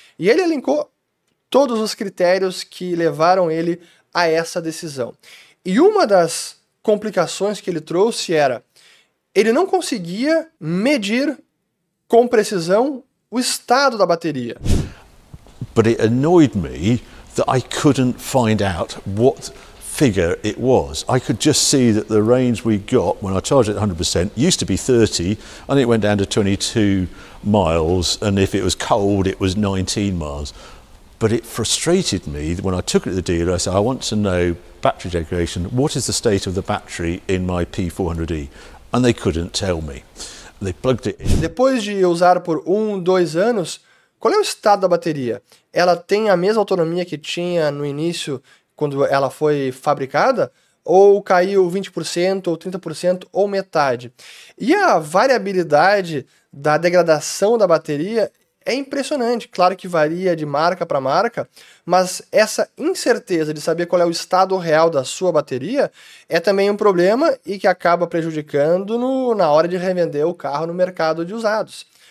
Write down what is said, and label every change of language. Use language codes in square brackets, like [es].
[pt] E ele elencou todos os critérios que levaram ele a essa decisão. E uma das complicações que ele trouxe era, ele não conseguia medir com precisão o estado da bateria. [en] But it annoyed me that I couldn't find out what figure it was. I could just see that the range we got when I charged it 100% used to be 30, and it went down to 22 miles, and if it was cold, it was 19 miles. But it frustrated me that when I took it to the dealer, I said, I want to know battery degradation. What is the state of the battery in my P400E? And they couldn't tell me. They plugged it in. [pt] Depois de usar por 1-2 anos, qual é o estado da bateria? Ela tem a mesma autonomia que tinha no início quando ela foi fabricada? Ou caiu 20%, ou 30%, ou metade? E a variabilidade da degradação da bateria é impressionante, claro que varia de marca para marca, mas essa incerteza de saber qual é o estado real da sua bateria é também um problema e que acaba prejudicando na hora de revender o carro no mercado de usados.